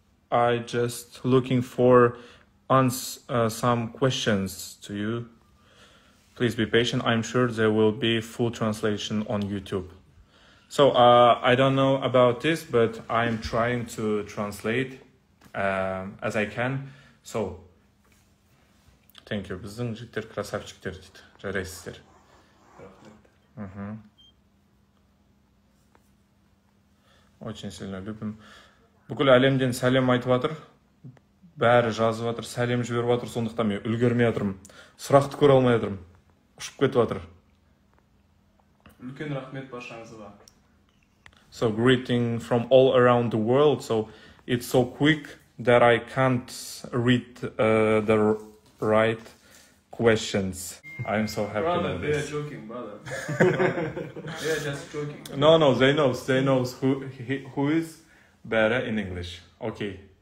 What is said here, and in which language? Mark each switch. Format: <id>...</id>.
<en>I just looking for some questions to you. Please be patient. I'm sure there will be full translation on YouTube. So I don't know about this, but I'm trying to translate as I can. So thank you.</en> <kk>Біздің жігіттер красавчиктер дейді. Жарайсыздар. Рахмет.</kk> <ru>Очень сильно любим.</ru> <kk>Бүкіл әлемден сәлем айтып жатыр. Бәрі жазып жатыр, сәлем жіберіп жатыр, сондықтан мен үлгермей отырмын. Сұрақты көре алмай отырмын. Ұшып кетіп жатыр. Үлкен рахмет баршаңызға.</kk> <en>So greeting from all around the world. So it's so quick that I can't read the right questions. I'm so happy. Brother, they are joking, brother. They are just joking. No, they know. They know who is better in English. Okay.</en>